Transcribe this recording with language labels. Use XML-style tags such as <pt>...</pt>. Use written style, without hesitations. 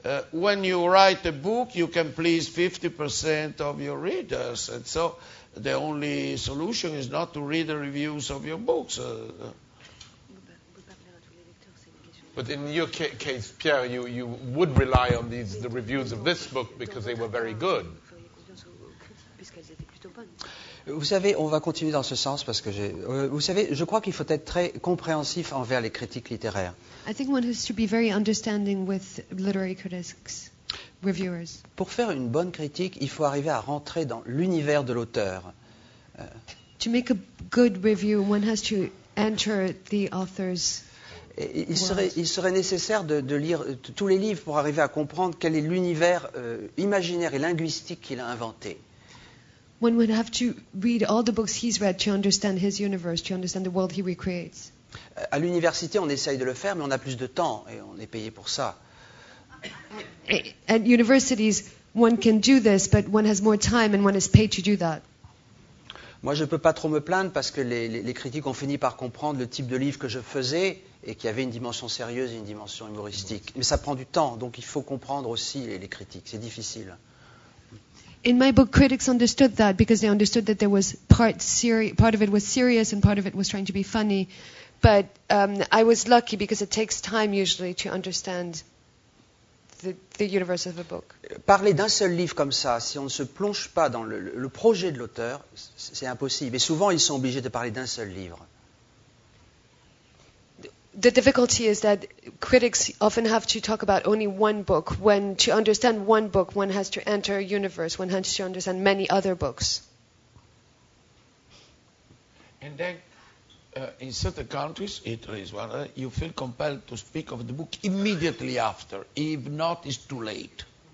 <en>When you write a book you can please 50% of your readers, and so the only solution is not to read the reviews of your books. But in your case, Pierre, you would rely on the reviews of this book because they were very good.</en> <fr>Vous savez, on va continuer dans ce sens parce que vous savez, je crois qu'il faut être très compréhensif envers les critiques littéraires.</fr> <en>I think one has to be very understanding with literary critics, reviewers.</en> <fr>Pour faire une bonne critique, il faut arriver à rentrer dans l'univers de l'auteur.</fr> <en>To make a good review, one has to enter the author's.</en> <fr>Il serait nécessaire de lire tous les livres pour arriver à comprendre quel est l'univers imaginaire et linguistique qu'il a inventé.</fr> <en>One would have to read all the books he's read to understand his universe, to understand the world he recreates.</en> <fr>À l'université, on essaye de le faire, mais on a plus de temps et on est payé pour ça.</fr> <en>At universities, one can do this, but one has more time and one is paid to do that.</en> <fr>Moi, je ne peux pas trop me plaindre parce que les critiques ont fini par comprendre le type de livre que je faisais et qu'il y avait une dimension sérieuse et une dimension humoristique. Mais ça prend du temps, donc il faut comprendre aussi les critiques. C'est difficile.</fr> <en>In my book, critics understood that because they understood that there was part of it was serious and part of it was trying to be funny. But I was lucky because it takes time usually to understand the universe of a book.</en> <fr>Parler d'un seul livre comme ça, si on ne se plonge pas dans le projet de l'auteur, c'est impossible. Et souvent, ils sont obligés de parler d'un seul livre.</fr> <en>The difficulty is that critics often have to talk about only one book, when to understand one book, one has to enter a universe, one has to understand many other books. And then, in certain countries, Italy is one, you feel compelled to speak of the book immediately after, if not, it's too late.</en>